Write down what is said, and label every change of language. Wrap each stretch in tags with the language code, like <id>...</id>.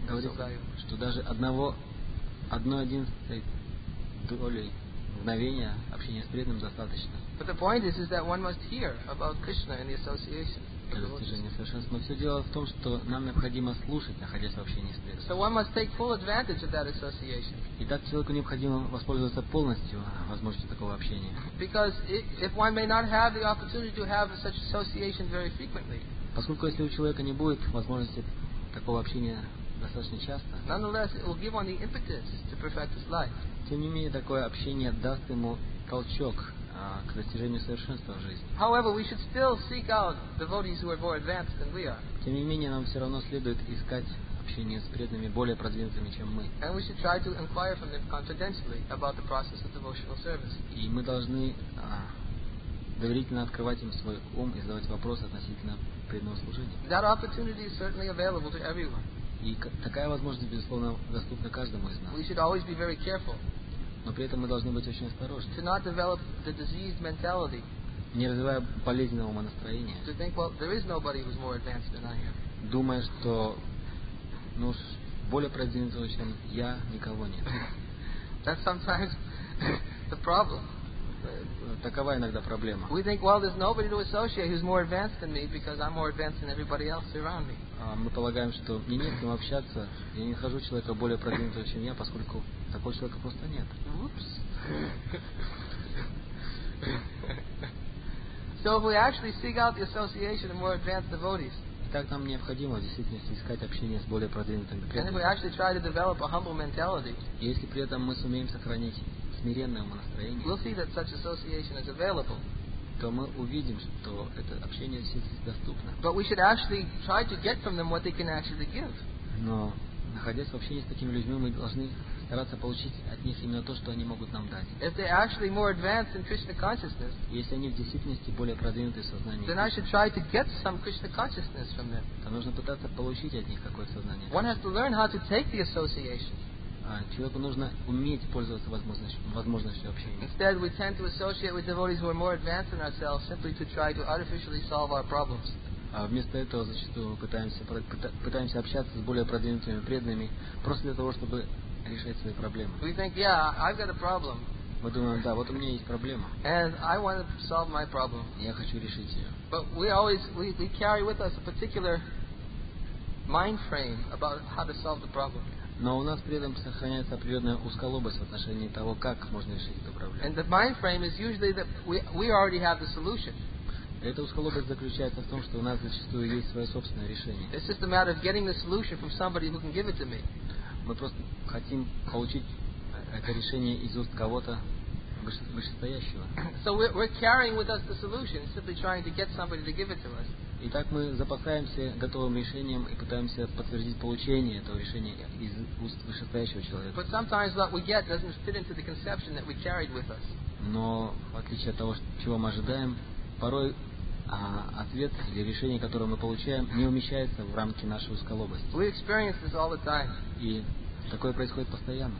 <ru>Говорит, что даже одной единственной доли мгновения общения с преданным достаточно.</ru> <en>But the point is that one must hear about Krishna in the association.</en> <ru>Достижение совершенства. Все дело в том, что нам необходимо слушать, находясь в общении с преданным.</ru> <en>So one must take full advantage of that association.</en> <ru>Итак, человеку необходимо воспользоваться полностью возможностью такого общения.</ru> <en>Because if one may not have the opportunity to have such association very frequently.</en> <ru>Поскольку если у человека не будет возможности такого общения достаточно часто.</ru> <en>Nonetheless, it will give one the impetus to perfect his life.</en> <ru>Тем не менее, такое общение даст ему толчок к достижению совершенства в жизни.</ru> <en>However, we should still seek out devotees who are more advanced than we are.</en> <ru>Тем не менее, нам все равно следует искать общение с преданными более продвинутыми, чем мы.</ru> <en>And we should try to inquire from them confidentially about the process of devotional service.</en> <ru>И мы должны доверительно открывать им свой ум и задавать вопросы относительно преданного служения.</ru> <en>That opportunity is certainly available to everyone.</en> <ru>И такая возможность, безусловно, доступна каждому из нас.</ru> <en>We should always be very careful.</en> <ru>Но при этом мы должны быть очень осторожны.</ru> <en>To not develop the diseased mentality.</en> <ru>не развивая болезненного умонастроения,</ru> <en>to think, well, there is nobody who's more advanced than I am.</en> <ru>Думая, что ну, более продвинутого, чем я, никого нет.</ru> <en>That's sometimes the problem.</en> <ru>Такова иногда проблема.</ru> <en>We think, well, there's nobody to associate who's more advanced than me because I'm more advanced than everybody else around me.</en> <ru>Мы полагаем, что мне не с кем общаться, я не нахожу человека более продвинутого, чем я, поскольку такого человека просто нет.</ru> <en>Oops. So if we actually seek out the association of more advanced devotees,</en> <ru>так нам необходимо в действительности искать общение с более продвинутыми.</ru> <en>And if we actually try to develop a humble mentality,</en> <ru>если при этом мы сумеем сохранить смиренное умонастроение,</ru> <en>we'll see that such association is available.</en> <ru>То мы увидим, что это общение доступно.</ru> <en>But we should actually try to get from them what they can actually give.</en> <ru>Но находясь в общении с такими людьми, мы должны стараться получить от них именно то, что они могут нам дать.</ru> <en>If they're actually more advanced in Krishna consciousness,</en> <ru>если они в действительности более продвинутые сознания,</ru> <en>then I should try to get some Krishna consciousness from them.</en> <ru>То нужно пытаться получить от них какое-то сознание.</ru> <en>One has to learn how to take the association.</en> <ru>Человеку нужно уметь пользоваться возможностью общения.</ru> <en>Instead, we tend to associate with devotees who are more advanced than ourselves simply to try to artificially solve our problems.</en> <ru>А вместо этого зачастую мы пытаемся общаться с более продвинутыми преданными просто для того, чтобы решать свои проблемы.</ru> <en>We think, yeah, I've got a problem.</en> <ru>Мы думаем, да, вот у меня есть проблема.</ru> <en>And I want to solve my problem.</en> <ru>Я хочу решить ее.</ru> <en>But we carry with us a particular mind frame about how to solve the problem.</en> <ru>Но у нас при этом сохраняется определенная узколобость в отношении того, как можно решить эту проблему.</ru> <en>And the mind frame is usually that we already have the solution.</en> <ru>Эта узколобость заключается в том, что у нас зачастую есть свое собственное решение.</ru> <en>It's just a matter of getting the solution from somebody who can give it to me.</en> <ru>Мы просто хотим получить это решение из уст кого-то вышестоящего.</ru> <en>So we're carrying with us the solution, simply trying to get somebody to give it to us.</en> <ru>Итак, мы запасаемся готовым решением и пытаемся подтвердить получение этого решения из уст вышестоящего человека.</ru> <en>But sometimes what we get doesn't fit into the conception that we carried with us.</en> <ru>Но в отличие от того, чего мы ожидаем, порой ответ или решение, которое мы получаем, не умещается в рамки нашей узколобости.</ru> <en>We experience this all the time.</en> <ru>И такое происходит постоянно.</ru>